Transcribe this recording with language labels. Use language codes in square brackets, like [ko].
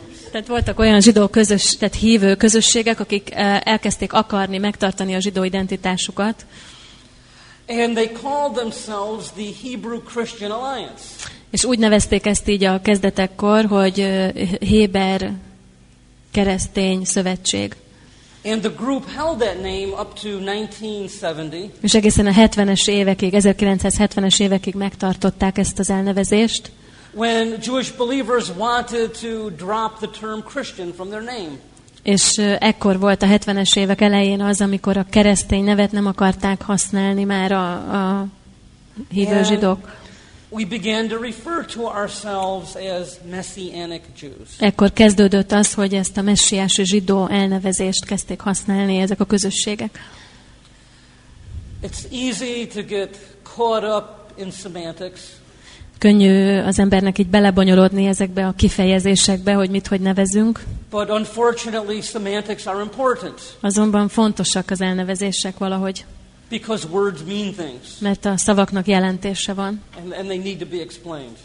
[hu] Tehát voltak olyan zsidó tehát hívő közösségek, akik elkezdték akarni megtartani a zsidó identitásukat. [en] And they called themselves the Hebrew Christian Alliance. [hu] És úgy nevezték ezt így a kezdetekkor, hogy Héber Keresztény Szövetség. [en] And the group held that name up to 1970. [hu] És egészen a 1970-es évekig megtartották ezt az elnevezést. [en] When Jewish believers wanted to drop the term Christian from their name. [hu] És ekkor volt a 70-es évek elején az, amikor a keresztény nevet nem akarták használni már a hívő zsidók. [en] We began to refer to ourselves as messianic Jews. [hu] Ekkor kezdődött az, hogy ezt a messiás zsidó elnevezést kezdték használni ezek a közösségek. [en] It's easy to get caught up in semantics. [hu] Könnyű az embernek így belebonyolódni ezekbe a kifejezésekbe, hogy mit hogy nevezünk. [en] But unfortunately, semantics are important. [hu] Azonban fontosak az elnevezések valahogy. [en] Because words mean things. [hu] Mert a szavaknak jelentése van. [en] And they need to be explained.